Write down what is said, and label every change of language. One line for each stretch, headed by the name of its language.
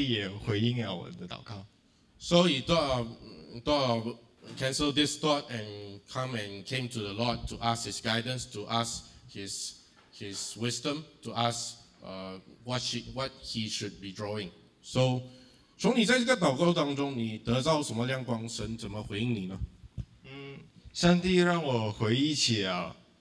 Chinese: 所以我就决定向上帝祷告，然后我向神祷告过后，上帝也回应了我的祷告。So
English: he thought of cancel this thought and come and came to the Lord to ask His guidance, to ask His wisdom, to ask what he should be drawing.
Chinese: So 从你在这个祷告当中，你得到什么亮光？神怎么回应你呢？上帝让我回忆起了。